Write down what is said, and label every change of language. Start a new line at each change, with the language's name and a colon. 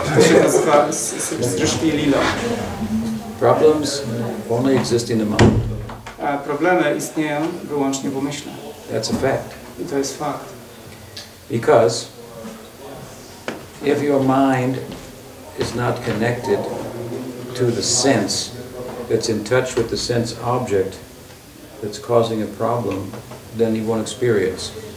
Polish: To się nazywa Srishti Lila.
English: Problems only exist in the mind.
Polish: A problemy istnieją wyłącznie w umyśle.
English: That's a fact.
Polish: I to jest fakt.
English: Because if your mind is not connected to the sense that's in touch with the sense object that's causing a problem, then you won't experience.